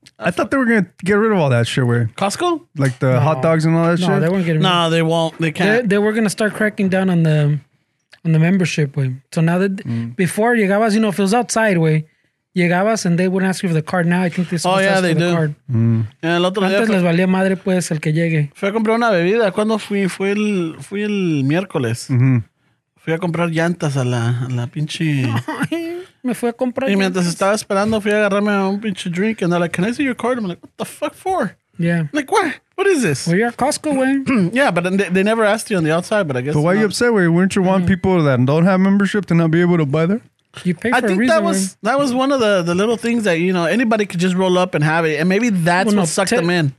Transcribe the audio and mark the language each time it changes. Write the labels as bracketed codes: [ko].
[en] I thought they were going to get rid of all that shit, where Costco? Like the hot dogs and all that shit? No, they weren't getting rid of it. No, they won't. They can't. They were going to start cracking down on the membership, way. So now that before, [es] llegabas, [en] you know, if it was outside, way, llegabas and they wouldn't ask you for the card. Now I think they still ask they for the card. Oh, yeah, they do. [es] Antes les valía madre, pues, el que llegue. Fui a comprar una bebida. ¿Cuándo fui? Fui el miércoles. Mm-hmm. Fui a comprar llantas a la pinche... Me fui a comprar. Y mientras estaba esperando, fui a agarrarme a un pinche drink. [en] And they're like, can I see your card? I'm like, what the fuck for? Yeah. I'm like, what? What is this? Well, you're at Costco, way. Yeah, but they never asked you on the outside, but I guess. But why are you upset, way? Wouldn't you want people that don't have membership to not be able to buy there? You pay for a reason. I think that was one of the little things that, you know, anybody could just roll up and have it. And maybe that's what sucked them in.